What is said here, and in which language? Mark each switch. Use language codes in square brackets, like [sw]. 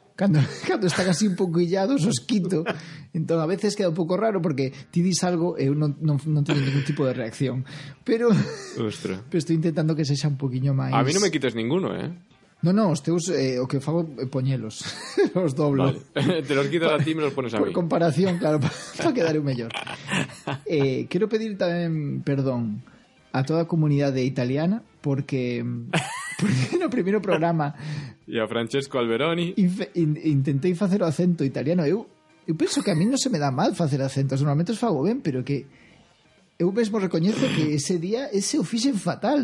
[gl] cando están así un pouco illados, os quito. Entón, a veces queda un pouco raro, porque ti dis algo e non teño ningún tipo de reacción. Pero... Ostras. Pero estou intentando que sexa un poquinho máis... [es] A mí non me quites ninguno, eh? [gl] Non, os teus, o que fago, poñelos. Os doblo. Vale. [es] Te los quitas a ti e me los pones a por mí. [gl] Por comparación, claro, para quedar un mellor. Quero pedir tamén perdón a toda a comunidade italiana, porque no primeiro programa... E a Francesco Alberoni. Intentei facer o acento italiano. Eu penso que a mí non se me dá mal facer acentos. Normalmente os fago ben, pero que... Eu mesmo recoñezo que ese día ese o fixen fatal.